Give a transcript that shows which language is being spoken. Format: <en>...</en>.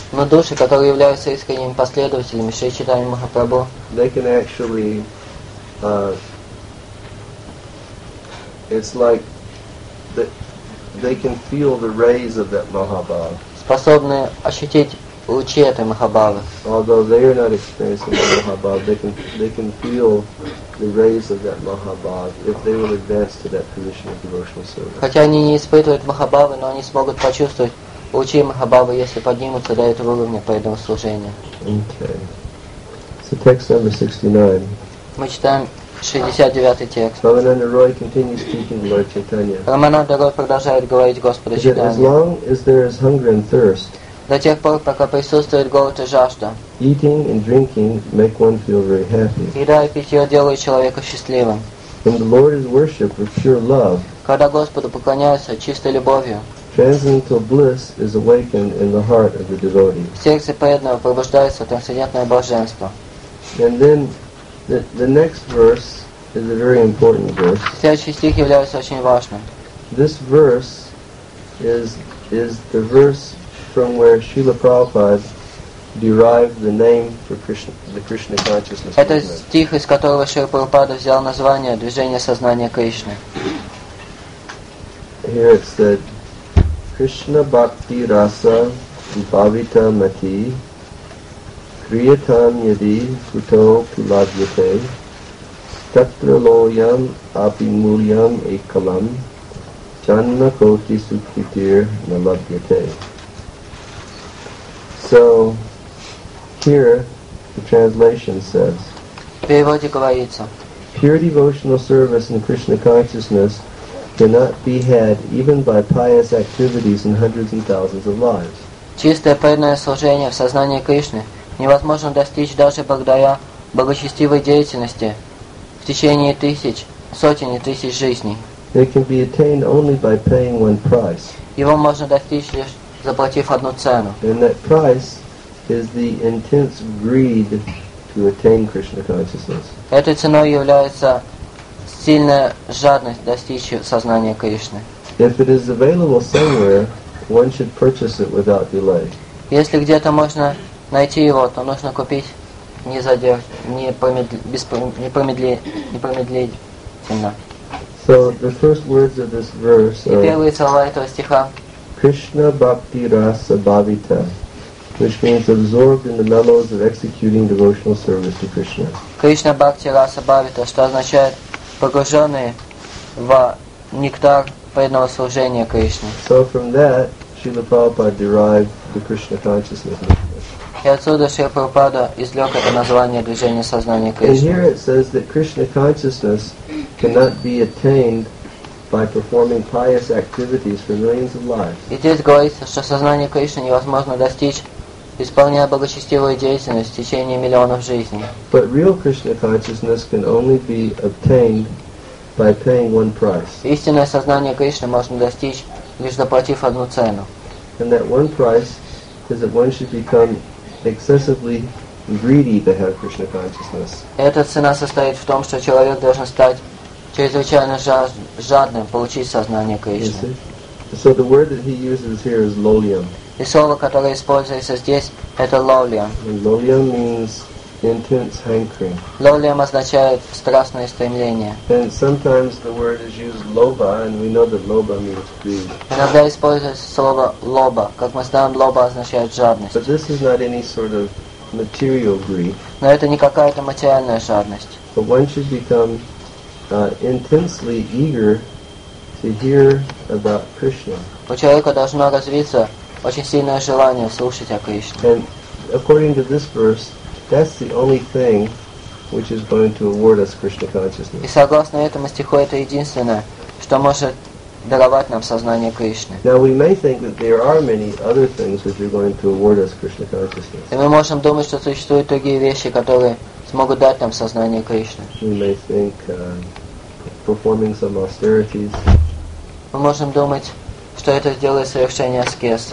<ru>но души, которые являются искренними последователями Шри Чайтанья Махапрабху,</ru> <en>they can actually, it's like that they can feel the rays of that Mahabhava.</en> <ru>Способны ощутить лучи этой Махабхавы.</ru> <en>Although they are not experiencing the Mahabhava, they can feel the rays of that Mahabhava if they will advance to that position of devotional service.</en> <ru>Хотя они не испытывают Махабхавы, но они смогут почувствовать лучи Махабхавы, если поднимутся до этого уровня преданного служения.</ru> <en>Okay. So text number 69.</en> <ru>Мы читаем 69 текст.</ru> <en>Рамананда Рой continues speaking to Lord Chaitanya.</en> <ru>Рамананда Рой продолжает говорить Господу Чайтанье.</ru> <en>As long as there is hunger and thirst,</en> <ru>до тех пор, пока присутствует голод и жажда,</ru> <en>eating and drinking make one feel very happy.</en> <ru>Еда и питье делают человека счастливым.</ru> <en>When the Lord is worshipped with pure love,</en> <ru>когда Господу поклоняются чистой любовью,</ru> <en>transcendental bliss is awakened in the heart of the devotee.</en> <ru>В сердце преданного пробуждается трансцендентное блаженство.</ru> <en>And then the next verse is a very important verse.</en> <ru>Следующий стих является очень важным.</ru> <en>This verse is the verse from where Srila Prabhupada derived the name for Krishna, the Krishna consciousness.</en> <ru>Это стих, из которого Шрила Прабхупада взял название движения сознания Кришны.</ru> <en>Here it said,</en> <sa>Krishna bhakti rasa bhavita mati kriyatam yadi kuto puladyate tatra loyam apimulyam ekalam janma koti sukritir namadyate.</sa> <en>So here the translation says, pure devotional service in Krishna consciousness cannot be had even by pious activities in hundreds and thousands of lives.</en> <ru>Чистое преданное служение в сознании Кришны невозможно достичь даже благодаря благочестивой деятельности в течение тысяч, сотен и тысяч жизней.</ru> <en>It can be attained only by paying one price.</en> <ru>Его можно достичь лишь заплатив одну цену.</ru> <en>And that price is the intense greed to attain Krishna consciousness.</en> <ru>Этой ценой является сильная жадность достичь сознания Кришны.</ru> <en>If it is available somewhere, one should purchase it without delay.</en> <ru>Если где-то можно найти его, то нужно купить не задерж, не промедлительно.</ru> <en>So the first words of this verse are,</en> <ru>и первые слова этого стиха,</ru> <sa>Krishna bhakti rasa bhavita,</sa> <en>which means absorbed in the mellows of executing devotional service to Krishna.</en> <sa>Krishna bhakti rasa bhavita,</sa> <ru>что означает погруженные в нектар преданного служения Кришне.</ru> <en>So from that, Srila Prabhupada derived the Krishna consciousness.</en> <ru>И отсюда Шрила Прабхупада извлек это название движения сознания Кришны.</ru> <en>And here it says that Krishna consciousness cannot be attained by performing pious activities for millions of lives.</en> <ru>И здесь говорится, что сознание Кришны невозможно достичь, исполняя благочестивую деятельность в течение миллионов жизней.</ru> <en>But real Krishna consciousness can only be obtained by paying one price.</en> <ru>Истинное сознание Кришны можно достичь, лишь заплатив одну цену.</ru> <en>And that one price is that one should become excessively greedy to have Krishna consciousness.</en> <ru>Эта цена состоит в том, что человек должен стать чрезвычайно жадным получить сознание Кришны.</ru> <en>So the word that he uses here is lolyam.</en> <ru>И слово, которое используется здесь, это lolyam.</ru> <en>Lolyam means intense hankering.</en> <ru>Lolyam означает страстное стремление.</ru> <en>And sometimes the word is used loba, and we know that loba means greed.</en> <ru>Иногда используется слово лоба. Как мы знаем, лоба означает жадность.</ru> <en>But this is not any sort of material greed.</en> <ru>Но это не какая-то материальная жадность.</ru> <en>But one should become intensely eager to hear about Krishna.</en> <ru>У человека должно развиться очень сильное желание слушать о Кришне.</ru> <en>And according to this verse, that's the only thing which is going to award us Krishna consciousness.</en> <ru>И согласно этому стиху, это единственное, что может даровать нам сознание Кришны.</ru> <en>Now we may think that there are many other things which are going to award us Krishna consciousness.</en> <ru>И мы можем думать, что существуют другие вещи, которые смогут дать нам сознание Кришны.</ru> <en>We may think performing some austerities.</en> <ru>Мы можем думать, что это сделает совершение аскез.</ru>